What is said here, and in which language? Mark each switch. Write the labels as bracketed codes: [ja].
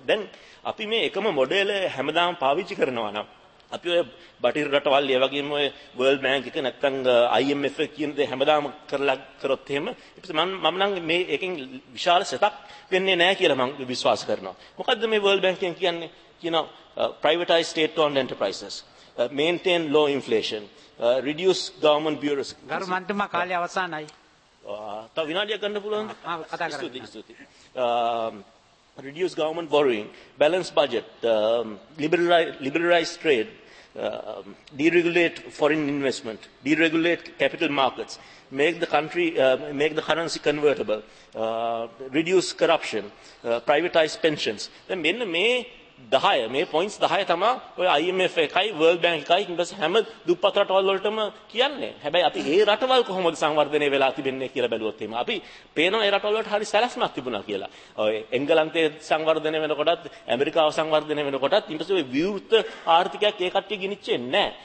[si] දැන් අපි මේ එකම මොඩෙල හැමදාම පාවිච්චි කරනවා නම් අපි ඔය බටීර රටවල් ඒ වගේම ඔය World Bank එක නැත්නම් IMF කියන දේ හැමදාම කරලා කරොත් එහෙම මම නම් මේ එකෙන් විශාල සෙතක් වෙන්නේ නැහැ කියලා මම විශ්වාස කරනවා. මොකද්ද මේ World Bank කියන්නේ? [en] කියනවා privatized state owned enterprises, maintain low inflation, reduce government bureaucracy. [si] ගරු මන්ත්‍රීතුමා කාලය අවසන්යි. තව විනාඩියක් ගන්න පුළුවන්ද? ආ කතා කරමු. ස්තුතියි. [en] Reduce government borrowing, balance budget, liberalize trade, deregulate foreign investment, deregulate capital markets, make the currency convertible, reduce corruption, privatize pensions. [si] Then මෙන්න මේ 10 මේ points 10 තමයි ඔය IMF එකයි World Bank එකයි ඉන්පස් හැම දුප්පත් රටවල් වලටම කියන්නේ. හැබැයි අපි ඒ රටවල් කොහොමද සංවර්ධනය වෙලා තිබෙන්නේ කියලා බැලුවොත් එimhe අපි පේනවා ඒ රටවල් වලට හරි සැලැස්මක් තිබුණා කියලා. ඔය එංගලන්තයේ සංවර්ධනය වෙනකොටත් ඇමරිකාව සංවර්ධනය වෙනකොටත් ඉන්පස් ඔය විවෘත ආර්ථිකයක් ඒ කට්ටිය ගිනිච්චේ නැහැ.